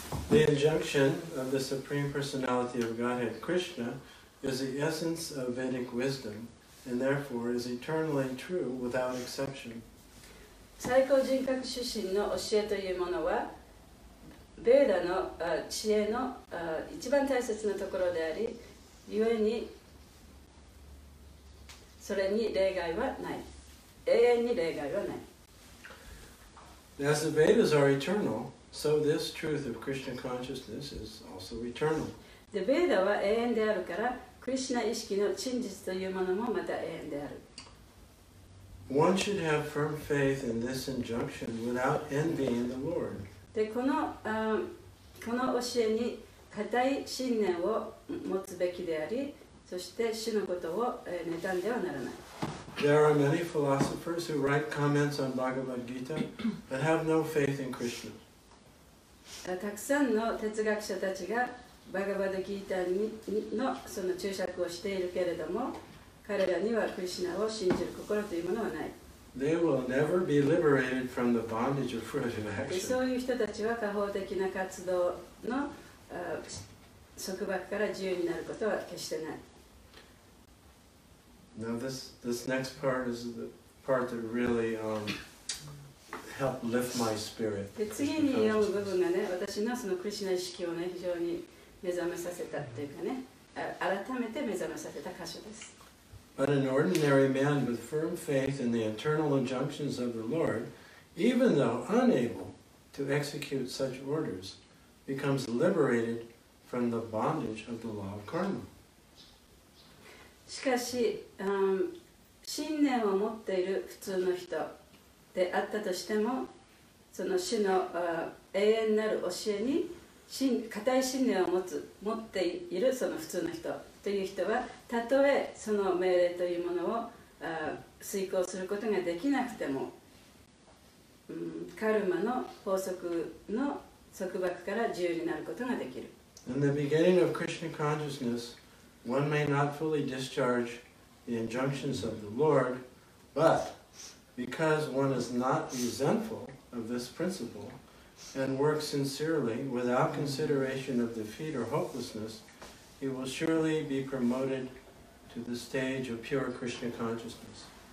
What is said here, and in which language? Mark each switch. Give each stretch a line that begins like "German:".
English: The injunction of the Supreme Personality of Godhead, Krishna, is the essence of Vedic wisdom. And therefore, is eternally true without exception.
Japanese: 最高人格主神の教えというものは、ベーダの知恵の一番大切なところであり、故にそれに例外はない。永遠に例外はない。
English: As the Vedas are eternal, so this truth of Krishna consciousness is also eternal.
Japanese: The Veda は永遠であるから、Krishna 意識の真実というものもまた永遠である。
English: One should have firm faith in this injunction without envy in the Lord.
Japanese: で、この教えに固い信念を持つべきであり、そして主のことを妬んではならない。
English: There are many philosophers who write comments on Bhagavad Gita but have no faith in Krishna.
Japanese: たくさんの哲学者たちがバガバドギータのその注釈をしているけれども、彼らにはクリシナを信じる心というものはない。
English: They will never be liberated from the bondage of fruitive action.
Japanese: そういう人たちは過方的な活動の束縛から自由になることは決してない。
English: Now this next part is the part that really helped lift my spirit.
Japanese: で次に読む部分がね、私のそのクリシナ意識をね非常に目覚めさせたというかね、改めて目覚めさせた箇所です。
English: But an ordinary man with firm faith in the eternal injunctions of the Lord, even though unable to execute such orders, becomes liberated from the bondage of the law of karma.
Japanese: しかし、信念を持っている普通の人であったとしても、その主の永遠なる教えに固い信念を持っているその普通の人という人は、たとえその命令というものを遂行することができなくても、カルマの法則の束縛から自由になることができる。
English: In the beginning of Krishna consciousness, one may not fully discharge the injunctions of the Lord, but because one is not resentful of this principle,and work sincerely without consideration of defeat or hopelessness, he will surely be promoted to the stage of pure Krishna consciousness.